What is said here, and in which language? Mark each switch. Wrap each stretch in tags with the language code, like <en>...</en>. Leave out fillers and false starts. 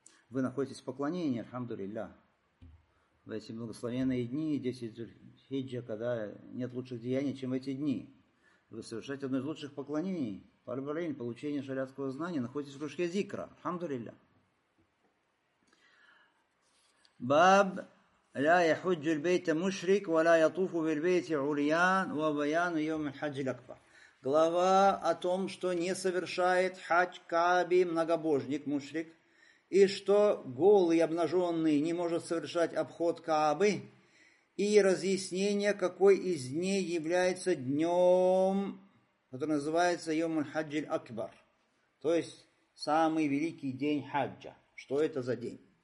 <ru>Вы находитесь в поклонении, альхамдулилля. В эти благословенные дни, 10 хиджа, когда нет лучших деяний, чем эти дни. Вы совершаете одно из лучших поклонений. Парбарин, получение шариатского знания, находитесь в кружке зикра. Альхамдулилля.</ru> <ar>باب لا يحج البيت مشرك ولا يطوف بالبيت عريان وبيان يوم الحج الأكبر.</ar> <ru>Глава о том, что не совершает хадж Кааби многобожник, мушрик, и что голый, обнаженный, не может совершать обход Каабы, и разъяснение, какой из дней является днем, который называется Йом-Хаджиль-Акбар, то есть самый великий день хаджа. Что это за день?</ru>